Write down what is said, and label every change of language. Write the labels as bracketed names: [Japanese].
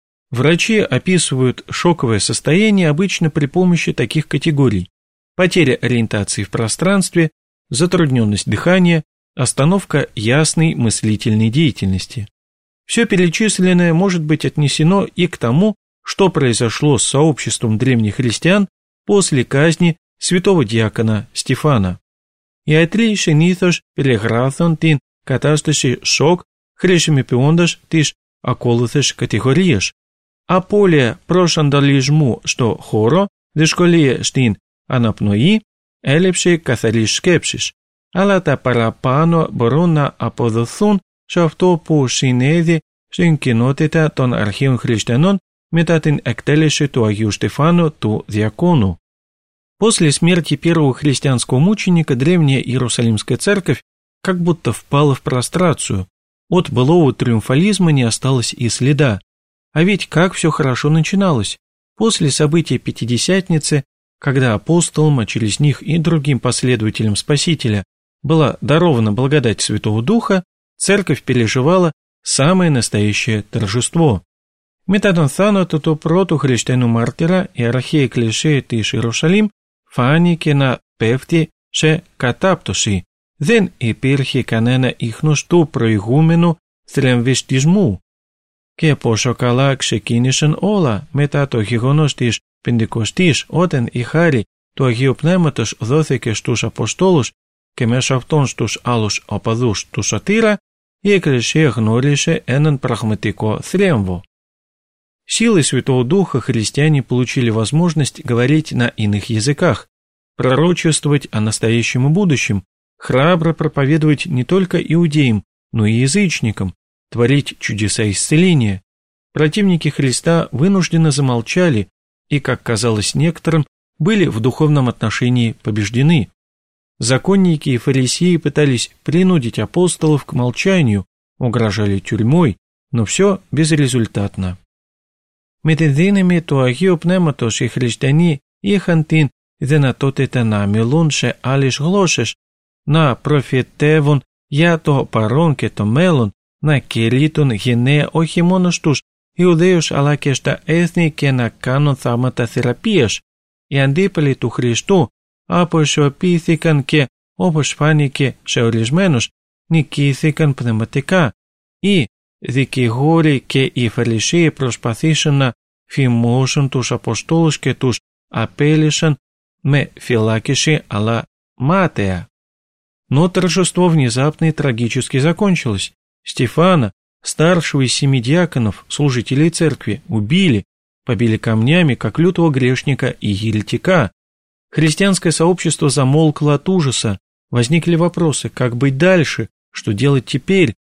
[Russian] Врачи описывают шоковое состояние обычно при помощи таких категорий: потеря ориентации в пространстве, затрудненность дыхания, остановка ясной мыслительной деятельности. Все перечисленное может быть отнесено и к тому, что произошло с сообществом древних христиан после казни святого диакона Стефана. [Greek] Ιατροί συνήθως περιγράφουν την κατάσταση σοκ χρησιμοποιώντας τις ακόλουθες κατηγορίες. Απώλεια προσανατολισμού στο χώρο, δυσκολία στην αναπνοή, έλλειψη καθαρής σκέψης. Αλλά τα παραπάνω μπορούν να αποδοθούν σε αυτό που συνέβη στην κοινότητα των αρχαίων χριστιανών μετά την εκτέλεση του Αγίου Στεφάνου του Διακόνου. [Russian] После смерти первого христианского мученика древняя Иерусалимская церковь как будто впала в прострацию. От былого триумфализма не осталось и следа. А ведь как все хорошо начиналось. После события Пятидесятницы, когда апостолам, а через них и другим последователям Спасителя, была дарована благодать Святого Духа, церковь переживала самое настоящее торжество. [Greek] Метадон Сануто то проту христиану мартира и архея клишея тиш Иерусалим фаники на певти ше катаптуши. Δεν υπήρχε κανένα ίχνος του προηγούμενου θριαμβιστισμού. Και πόσο καλά ξεκίνησαν όλα μετά το γεγονός της Πεντηκοστής, όταν η χάρη του Αγίου Πνεύματος δόθηκε στους Αποστόλους και μέσω αυτών στους άλλους οπαδούς του Σωτήρα, η Εκκλησία γνώρισε έναν πραγματικό θρίαμβο. [Russian] Силой Святого Духа христиане получили возможность говорить на иных языках, пророчествовать о настоящем и будущем, храбро проповедовать не только иудеям, но и язычникам, творить чудеса исцеления. Противники Христа вынужденно замолчали и, как казалось некоторым, были в духовном отношении побеждены. Законники и фарисеи пытались принудить апостолов к молчанию, угрожали тюрьмой, но все безрезультатно. [Greek] Με την δύναμη του Αγίου Πνεύματος οι χριστιανοί είχαν την δυνατότητα να μιλούν σε άλλες γλώσσες, να προφητεύουν για το παρόν και το μέλλον, να κηρύττουν γενναία όχι μόνο στους Ιουδαίους αλλά και στα έθνη και να κάνουν θαύματα θεραπείας. Οι αντίπαλοι του Χριστού αποσιωπήθηκαν και, όπως φάνηκε σε ορισμένους, νικήθηκαν πνευματικά. Οι δικηγόροι και οι φαρισαίοι προσπαθήσαν να φημώσουν τους Αποστόλους και τους απέλυσαν με φυλάκιση αλλά μάταια. [Russian] Но торжество внезапно и трагически закончилось. Стефана, старшего из семи диаконов, служителей церкви, убили, побили камнями, как лютого грешника и еретика. Христианское сообщество замолкло от ужаса. Возникли вопросы, как быть дальше, что делать теперь?